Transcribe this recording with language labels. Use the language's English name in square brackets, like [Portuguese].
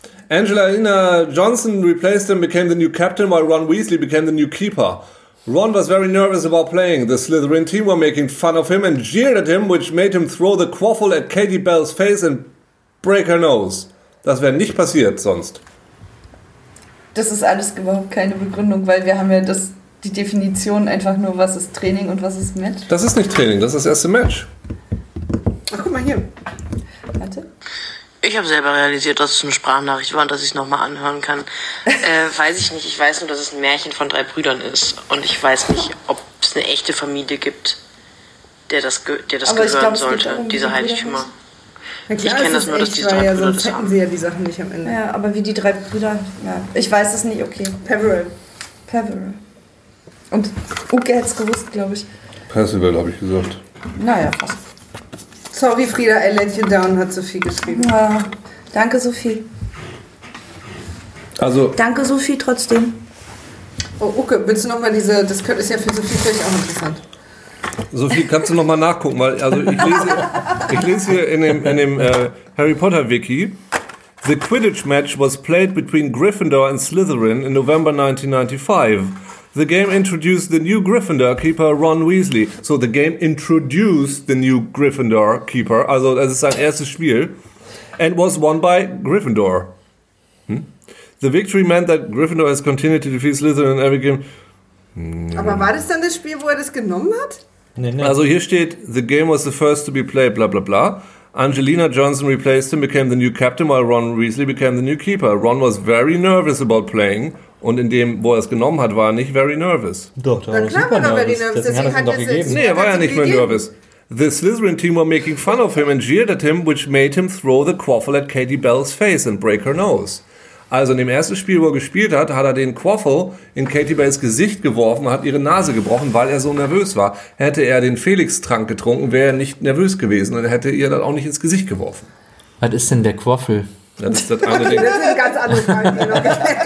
[English] Angelina Johnson replaced him, became the new captain, while Ron Weasley became the new keeper. Ron was very nervous about playing. The Slytherin team were making fun of him and jeered at him, which made him throw the quaffle at Katie Bell's face and break her nose. [German] Das wäre nicht passiert sonst. Das ist alles überhaupt keine Begründung, weil wir haben ja das, die Definition einfach nur, was ist Training und was ist Match. Das ist nicht Training, das ist das erste Match. Ach, guck mal hier. Warte. Ich habe selber realisiert, dass es eine Sprachnachricht war und dass ich es nochmal anhören kann. Weiß ich nicht. Ich weiß nur, dass es ein Märchen von drei Brüdern ist. Und ich weiß nicht, ob es eine echte Familie gibt, der das aber gehören glaub, sollte, diese Heiligtümer. Klar, ich kenne das nur, dass die drei Brüder sonst hätten sie ja die Sachen nicht am Ende. Ja, aber wie die drei Brüder, ja. Ich weiß es nicht, okay. Peveril. Und Uke hätte es gewusst, glaube ich. Percival, habe ich gesagt. Naja, fast. [English] Sorry, Frieda, I let you down, hat Sophie geschrieben. [German] Ja, danke, Sophie. Also. Danke, Sophie, trotzdem. Oh, Uke, willst du nochmal diese. Das ist ja für Sophie vielleicht auch interessant. Sophie, kannst du nochmal nachgucken? Weil, also, ich lese hier in dem Harry Potter Wiki. [English] The Quidditch match was played between Gryffindor and Slytherin in November 1995. The game introduced the new Gryffindor keeper Ron Weasley. So the game introduced the new Gryffindor keeper, [German] also das ist sein erstes Spiel, [English] and was won by Gryffindor. The victory meant that Gryffindor has continued to defeat Slytherin in every game. [German] Aber war das dann das Spiel, wo er das genommen hat? Nee. Also hier steht, [English] the game was the first to be played, [German] bla bla bla. [English] Angelina Johnson replaced him, became the new captain, while Ron Weasley became the new keeper. Ron was very nervous about playing. [German] Und in dem, wo er es genommen hat, war er nicht [English] very nervous. [German] Doch, da war super nervous. Dann war er [English] very nervous. [German] Deswegen hat er es doch gegeben. Nee, er war ja nicht mehr nervous. [English] The Slytherin team were making fun of him and jeered at him, which made him throw the quaffle at Katie Bell's face and break her nose. [German] Also in dem ersten Spiel, wo er gespielt hat, hat er den Quaffle in Katie Bells Gesicht geworfen und hat ihre Nase gebrochen, weil er so nervös war. Hätte er den Felix-Trank getrunken, wäre er nicht nervös gewesen und hätte ihr dann auch nicht ins Gesicht geworfen. Was ist denn der Quaffle? Das ist das andere Ding. Das ist eine ganz andere Frage, die noch geklärt